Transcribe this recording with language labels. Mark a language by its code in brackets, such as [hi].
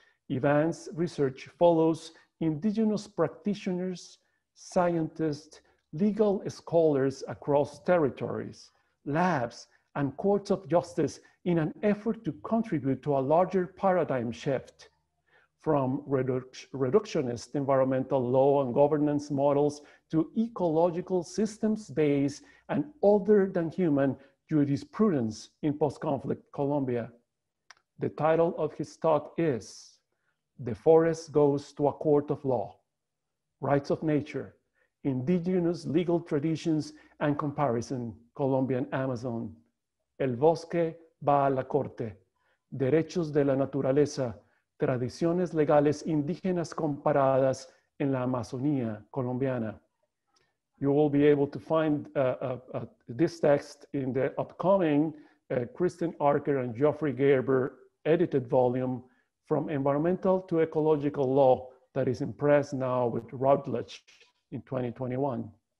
[en] Ivan's research follows indigenous practitioners, scientists, legal scholars across territories, labs, and courts of justice in an effort to contribute to a larger paradigm shift from reductionist environmental law and governance models to ecological systems-based and other than human jurisprudence in post-conflict Colombia. The title of his talk is "The Forest Goes to a Court of Law, Rights of Nature, Indigenous Legal Traditions and Comparison, Colombian Amazon. [es] El Bosque va a la Corte, Derechos de la Naturaleza, Tradiciones Legales Indígenas Comparadas en la Amazonía Colombiana." [en] You will be able to find this text in the upcoming Kristen Archer and Geoffrey Gerber edited volume, From Environmental to Ecological Law, that is in press now with Routledge in 2021.